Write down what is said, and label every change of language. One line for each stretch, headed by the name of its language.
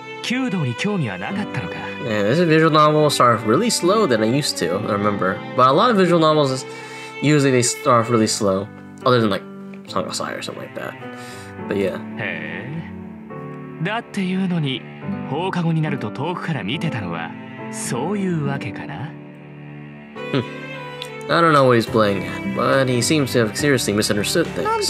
English: Yeah, this visual novels start off really slow than I used to, I remember. But a lot of visual novels, usually they start off really slow. Other than like, Song of Sire or something like that. But yeah.
Japanese: That っていうのに、放課後になると遠くから見てたのは、そういうわけかな?
English: I don't know what he's playing at, but he seems to have seriously misunderstood things.